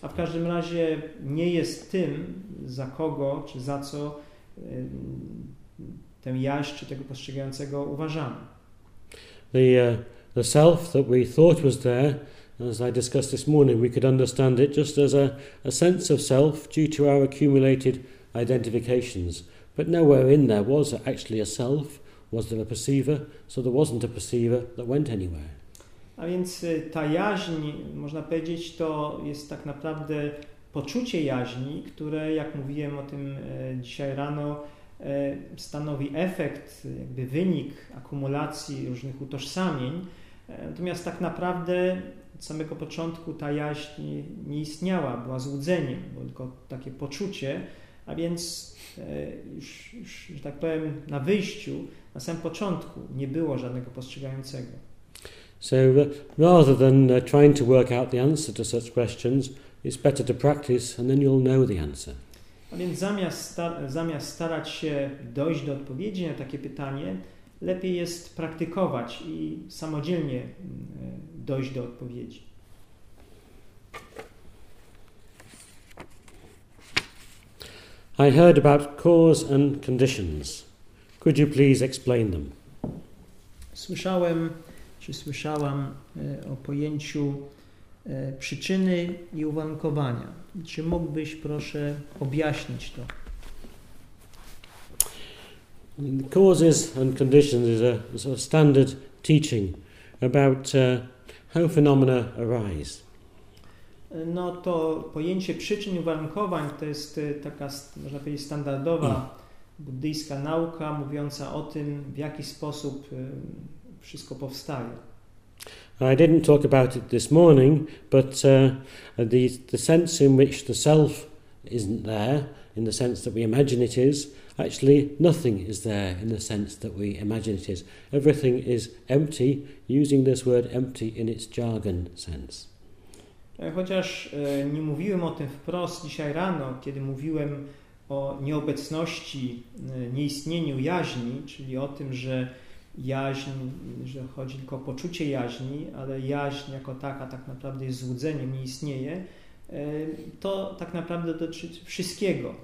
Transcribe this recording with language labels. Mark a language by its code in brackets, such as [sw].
[pl] A w każdym razie nie jest tym, za kogo czy za co tę jaś czy tego postrzegającego uważamy. [en] The self that we thought was there, as I discussed this morning, we could understand it just as a sense of self due to our accumulated identifications, but nowhere in there was actually a self, was there a perceiver, so there wasn't a perceiver that went anywhere. [pl] A więc ta jaźń, można powiedzieć, to jest tak naprawdę poczucie jaźni, które, jak mówiłem o tym dzisiaj rano, stanowi efekt, jakby wynik akumulacji różnych utożsamień, natomiast tak naprawdę od samego początku ta jaźń nie istniała, była złudzeniem, było tylko takie poczucie. A więc już, że tak powiem, na wyjściu, na samym początku nie było żadnego postrzegającego. [en] So rather than trying to work out the answer to such questions, it's better to practice and then you'll know the answer. [pl] A więc zamiast starać się dojść do odpowiedzi na takie pytanie, lepiej jest praktykować i samodzielnie dojść do odpowiedzi. [en] I heard about cause and conditions. Could you please explain them? [pl] Słyszałem, czy słyszałam o pojęciu przyczyny i uwarunkowania. Czy mógłbyś, proszę, objaśnić to? [en] Causes and conditions is a sort of standard teaching about how phenomena arise. [pl] No to pojęcie przyczyn i uwarunkowań to jest taka, można powiedzieć, standardowa buddyjska nauka mówiąca o tym, w jaki sposób wszystko powstaje. [en] I didn't talk about it this morning, but the sense in which the self isn't there, in the sense that we imagine it is, actually nothing is there in the sense that we imagine it is. Everything is empty, using this word empty in its jargon sense. [pl] Chociaż nie mówiłem o tym wprost dzisiaj rano, kiedy mówiłem o nieobecności, nieistnieniu jaźni, czyli o tym, że jaźń, że chodzi tylko o poczucie jaźni, ale jaźń jako taka tak naprawdę jest złudzeniem, nie istnieje, to tak naprawdę dotyczy wszystkiego.